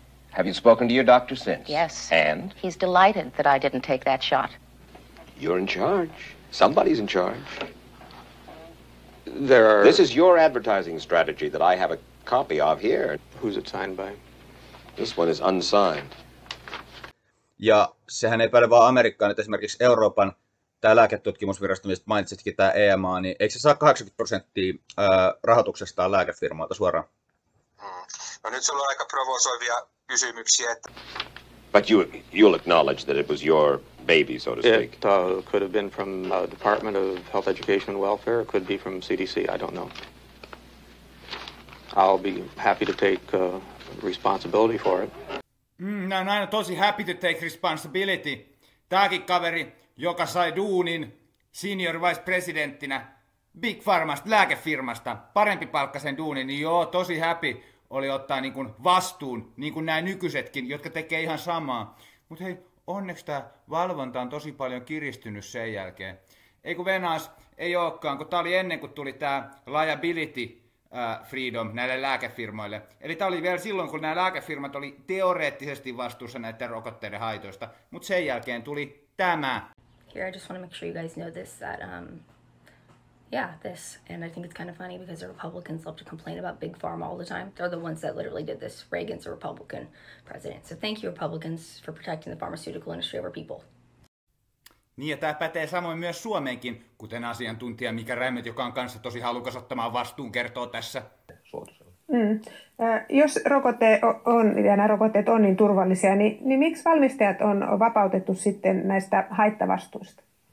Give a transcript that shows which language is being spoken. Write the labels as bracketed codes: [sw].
[en] Have you spoken to your doctor since? Yes. And? He's delighted that I didn't take that shot. You're in charge. Somebody's in charge. There are... This is your advertising strategy that I have a copy of here. Who's it signed by? This one is unsigned. [fi] Ja sehän ei päädy vaan Amerikkaan, että esimerkiksi Euroopan tämä lääketutkimusvirasto, mistä mainitsitkin, tämä EMA, niin eikö se saa 80% rahoituksestaan lääkefirmoilta suoraan? No nyt sulla on aika provosoivia kysymyksiä. Että... [en] But you'll acknowledge that it was your baby, so to speak. It could have been from the Department of Health Education and Welfare. It could be from CDC, I don't know. I'll be happy to take responsibility for it. No, I'm [fi] tosi [en] happy to take responsibility. [fi] Tääkin kaveri, joka sai duunin senior vice presidenttinä Big Pharmasta, lääkefirmasta, parempi palkka sen duunin, niin joo, tosi [en] happy [fi] oli ottaa niin kuin vastuun, niin kuin nämä nykyisetkin, jotka tekee ihan samaa. Mutta hei, onneksi tämä valvonta on tosi paljon kiristynyt sen jälkeen. Ei kun Venäas, ei olekaan, kun tämä oli ennen kuin tuli tämä [en] liability freedom [fi] näille lääkefirmoille. Eli tämä oli vielä silloin, kun nämä lääkefirmat oli teoreettisesti vastuussa näiden rokotteiden haitoista, mutta sen jälkeen tuli tämä. [en] Here, I just want to make sure you guys know this, that, yeah, this, and I think it's kind of funny because the Republicans love to complain about Big Pharma all the time. They're the ones that literally did this. Reagan's a Republican president. So thank you, Republicans, for protecting the pharmaceutical industry over people. [fi] Niin, ja tämä pätee samoin myös Suomeenkin, kuten asiantuntija Mika Rämmet, joka on kanssa tosi halukas ottamaan vastuun, kertoo tässä. Jos rokote on, ja nämä rokotteet on niin turvallisia, niin miksi valmistajat on vapautettu sitten näistä haittavastuista?